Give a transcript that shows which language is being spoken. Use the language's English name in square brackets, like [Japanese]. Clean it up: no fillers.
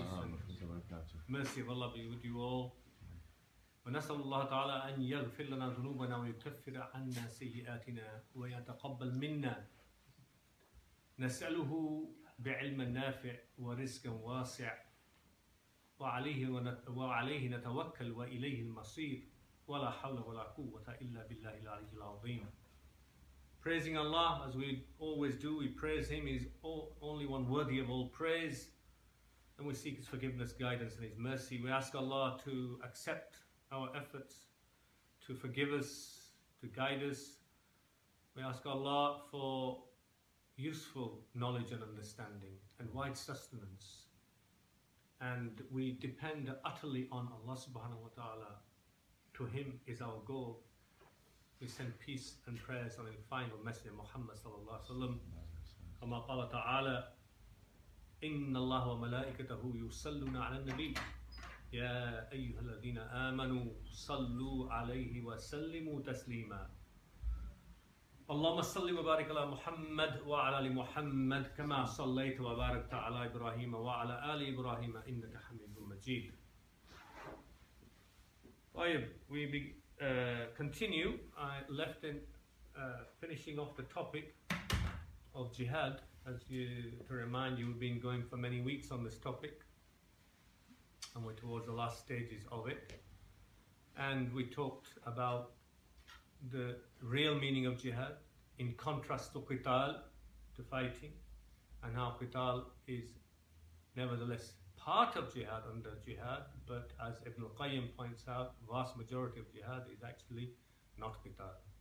[Arabic] ورحمة الله وبركاته مرسي بالله بيود ونسأل الله تعالى أن يغفر لنا ذنوبنا ويكفر عنا سيئاتنا ويتقبل منا نسأله بعلم نافع ورزق واسع وعليه نتوكل وإليه المصير ولا حول ولا قوة إلا بالله العلي العظيم. [English] Praising Allah as we always do, we praise Him. He's only one worthy of all praise, and we seek His forgiveness, guidance, and His mercy. We ask Allah to accept our efforts, to forgive us, to guide us. We ask Allah for useful knowledge and understanding and wide sustenance. And we depend utterly on Allah subhanahu wa ta'ala. To Him is our goal. We send peace and prayers on the final message of Muhammad sallallahu alayhi wa sallam. [Arabic] Kama qala ta'ala, Inna Allah wa malaikatahu yusalluna ala nabi. Ya ayyuhal ladhina amanu, sallu alayhi wa sallimu taslima. اللهم صل وبارك على محمد وعلى ال محمد كما صليت وباركت على ابراهيم وعلى ال ابراهيم انك حميد مجيد. [English] طيب, we continue. I left in finishing off the topic of jihad. As you, to remind you, we've been going for many weeks on this topic, and we're towards the last stages of it, and we talked about the real meaning of jihad in contrast to qital, to fighting, and how qital is nevertheless part of jihad under jihad, but as Ibn al-Qayyim points out, vast majority of jihad is actually not qital.